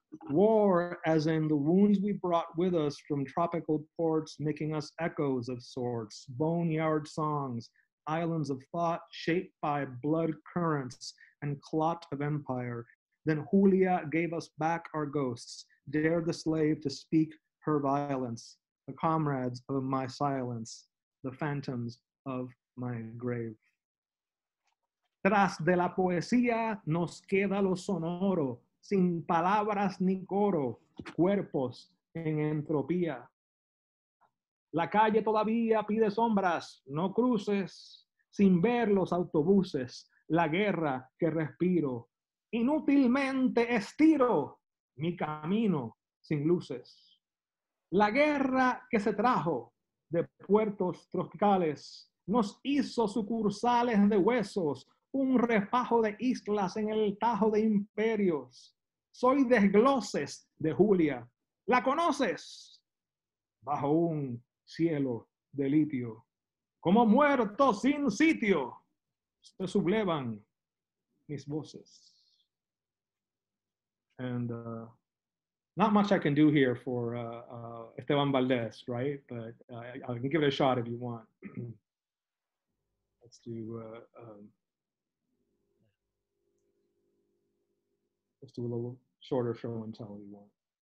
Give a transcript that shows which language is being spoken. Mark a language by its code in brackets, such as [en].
[en] War, as in the wounds we brought with us from tropical ports, making us echoes of sorts, boneyard songs, islands of thought shaped by blood currents and clot of empire. Then Julia gave us back our ghosts, dared the slave to speak her violence, the comrades of my silence, the phantoms of my grave. [es] Tras de la poesía nos queda lo sonoro, sin palabras ni coro, cuerpos en entropía. La calle todavía pide sombras, no cruces, sin ver los autobuses, la guerra que respiro. Inútilmente estiro mi camino sin luces. La guerra que se trajo de puertos tropicales nos hizo sucursales de huesos, un refajo de islas en el tajo de imperios. Soy desgloses de Julia. ¿La conoces? Bajo un cielo de litio. Como muerto sin sitio, se sublevan mis voces. [en] And not much I can do here for Esteban Valdez, right? But I can give it a shot if you want. Let's do... let's do a little shorter show and tell if you want.